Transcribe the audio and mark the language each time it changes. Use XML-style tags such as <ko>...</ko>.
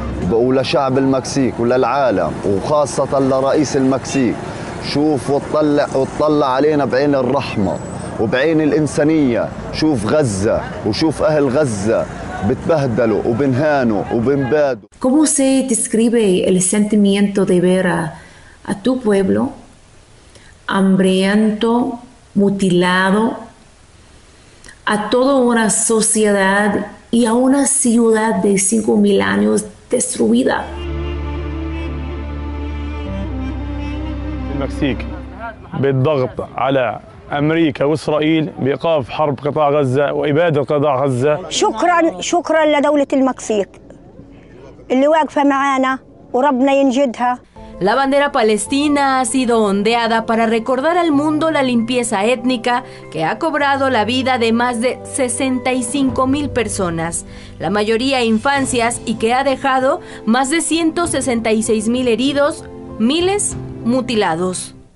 <ar>بقول لشعب المكسيك وللعالم وخاصة لرئيس المكسيك شوف وتطلع علينا بعين الرحمة وبعين الإنسانية شوف غزة وشوف أهل غزة بتبهدلوا وبنهانوا وبنبادوا</ar> <es>¿Cómo se describe el sentimiento de ver a tu pueblo hambriento, mutilado, a toda una sociedad y a una ciudad de 5.000 años destruida?</es> <ar>El Maxik, بالضغط على أمريكا وإسرائيل بإيقاف حرب قطاع غزة وإبادة قطاع غزة. شكرا لدولة المكسيك اللي واقفة معانا وربنا ينجدها.</ar> <es>La bandera palestina ha sido ondeada para recordar al mundo la limpieza étnica que ha cobrado la vida de más de 65.000 personas, la mayoría infancias, y que ha dejado más de 166.000 heridos, miles mutilados.</es>